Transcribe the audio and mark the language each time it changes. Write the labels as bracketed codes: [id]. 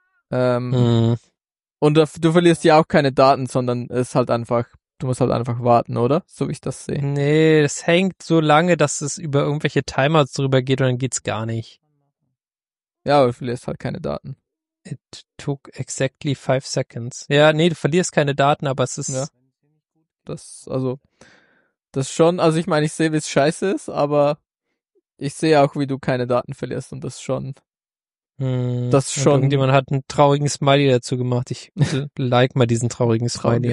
[de] Und du verlierst ja auch keine Daten, sondern es ist halt einfach, du musst halt einfach warten, oder? So wie ich das sehe. Nee, es hängt so lange, dass es über irgendwelche Timeouts drüber geht und dann geht's gar nicht. Ja, aber du verlierst halt keine Daten. [en] It took exactly 5 seconds. [de] Ja, nee, du verlierst keine Daten, aber es ist... Ja. Das schon, also ich meine, ich sehe, wie es scheiße ist, aber... Ich sehe auch, wie du keine Daten verlierst und das schon. Irgendjemand hat einen traurigen Smiley dazu gemacht. Ich like mal diesen traurigen Smiley